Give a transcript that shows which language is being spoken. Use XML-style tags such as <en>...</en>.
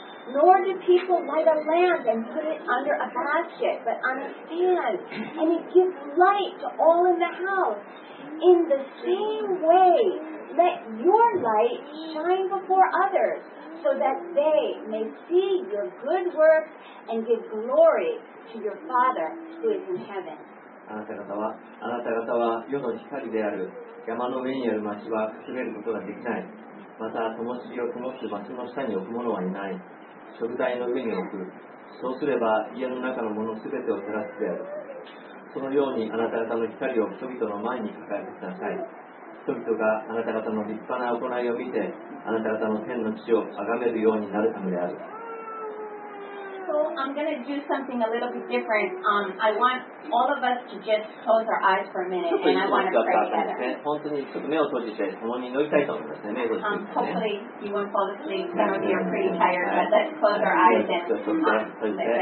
<en>Nor do people light a lamp and put it under a basket, but on a stand, and it gives light to all in the house. In the same way, let your light shine before others, so that they may see your good works and give glory to your Father who is in heaven.</en> <ja>あなた方は世の光である。山の上にある町は隠れることができない。また、灯火を灯す町の下に置くものはいない。食材の上に置く。そうすれば家の中のものすべてを照らすである。そのようにあなた方の光を人々の前に抱えてください。人々があなた方の立派な行いを見て、あなた方の天の地を崇めるようになるためである。</ja> <en>So I'm going to do something a little bit different. I want all of us to just close our eyes for a minute, and I want to pray together.</en> <ja>本当にちょっと目を閉じて共に祈りたいと思いますね。目を閉じて。</ja> <en>Hopefully you won't fall asleep. Some of you are pretty tired, but let's close our eyes and</en>